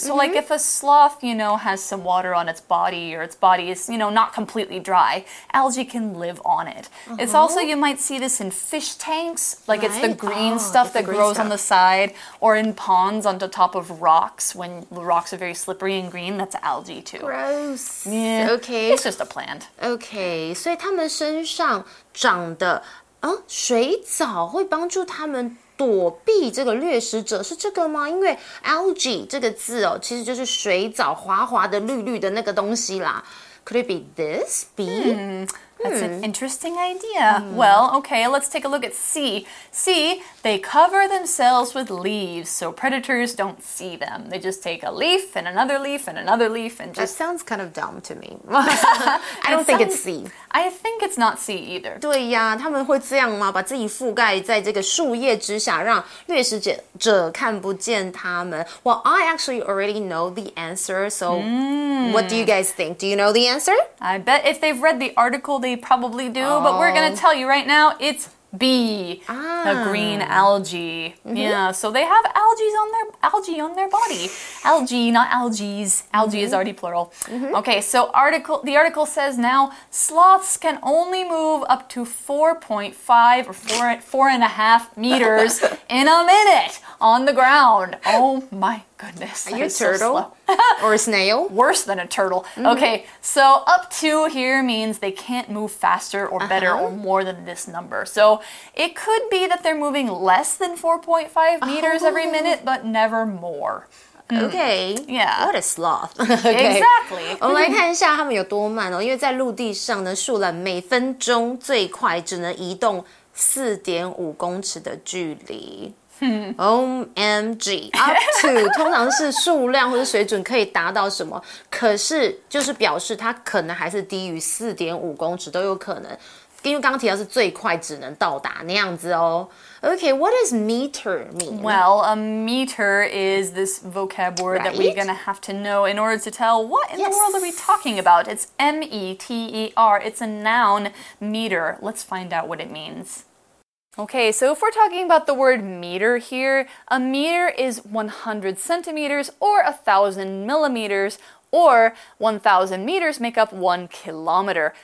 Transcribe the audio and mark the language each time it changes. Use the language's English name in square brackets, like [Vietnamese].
[English] So like if a sloth, has some water on its body or its body is, not completely dry, algae can live on it. Uh-huh. It's also, you might see this in fish tanks, like right? It's the green stuff that grows on the side, or in ponds on the top of rocks when the rocks are very slippery and green, that's algae too. Gross. Yeah. Okay. It's just a plant. [Chinese] Okay, 所以他们身上长的水藻会帮助他们躲避这个掠食者，是这个吗？因为 algae 这个字哦，其实就是水藻，滑滑的绿绿的那个东西啦。 [English] Could it be this? B? That's an interesting idea. Well, okay, let's take a look at C. C, they cover themselves with leaves, so predators don't see them. They just take a leaf and another leaf and another leaf and just... That sounds kind of dumb to me. I don't think it's C. I think it's not C either. [Chinese] 对呀，他们会这样吗？把自己覆盖在这个树叶之下，让掠食者看不见他们。 [English] Well, I actually already know the answer, so what do you guys think? Do you know the answer? I bet if they've read the article,they probably do, but we're going to tell you right now, it's B, a green algae. Mm-hmm. Yeah, so they have algae on their body. Algae, not algaes. Algae is already plural. Mm-hmm. Okay, so the article says now, sloths can only move up to 4.5 or 4.5 meters in a minute on the ground. Oh my goodness. Are you a turtle? So slow. Or a snail? Worse than a turtle. Mm-hmm. Okay, so up to here means they can't move faster or better or more than this number. So it could be that they're moving less than 4.5 meters every minute, but never more. Okay. Yeah. What a sloth. Exactly. [Chinese] 我们来看一下他们有多慢哦，因为在陆地上呢，树懒每分钟最快只能移动 4.5 公尺的距离。 OMG, up to 通常是数量或是水准可以达到什么，可是就是表示它可能还是低于 4.5 公尺都有可能，因为刚刚提到是最快只能到达那样子哦。 [English] Okay, what does meter mean? Well, a meter is this vocab word that we're going to have to know in order to tell what in the world are we talking about. It's M-E-T-E-R. It's a noun, meter. Let's find out what it means. Okay, so if we're talking about the word meter here, a meter is 100 centimeters or 1,000 millimeters, or 1,000 meters make up 1 kilometer.